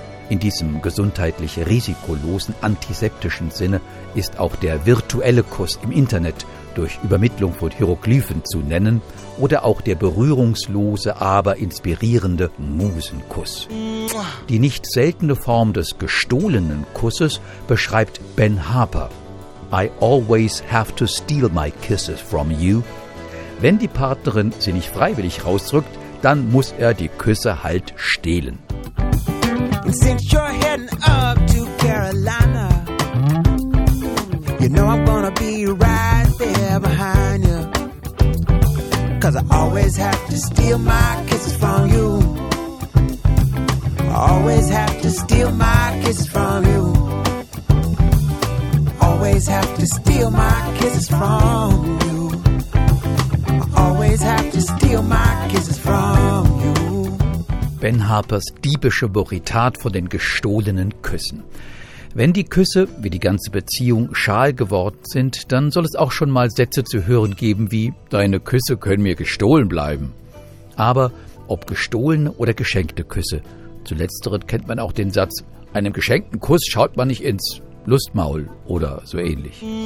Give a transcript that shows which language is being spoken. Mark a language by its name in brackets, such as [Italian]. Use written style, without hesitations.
[German] In diesem gesundheitlich risikolosen antiseptischen Sinne ist auch der virtuelle Kuss im Internet durch Übermittlung von Hieroglyphen zu nennen oder auch der berührungslose, aber inspirierende Musenkuss. Die nicht seltene Form des gestohlenen Kusses beschreibt Ben Harper. [English] I always have to steal my kisses from you. [German] Wenn die Partnerin sie nicht freiwillig rausdrückt, dann muss er die Küsse halt stehlen. [English] And since you're heading up to Carolina, you know I'm gonna be right there behind you. 'Cause I always have to steal my kisses from you. I always have to steal my kisses from you. Always have to steal my kisses from you. I always have to steal my kisses from you. [German] Ben Harpers diebische Borritat von den gestohlenen Küssen. Wenn die Küsse, wie die ganze Beziehung, schal geworden sind, dann soll es auch schon mal Sätze zu hören geben wie »Deine Küsse können mir gestohlen bleiben«. Aber ob gestohlene oder geschenkte Küsse, zu letzteren kennt man auch den Satz »Einem geschenkten Kuss schaut man nicht ins Lustmaul« oder so ähnlich.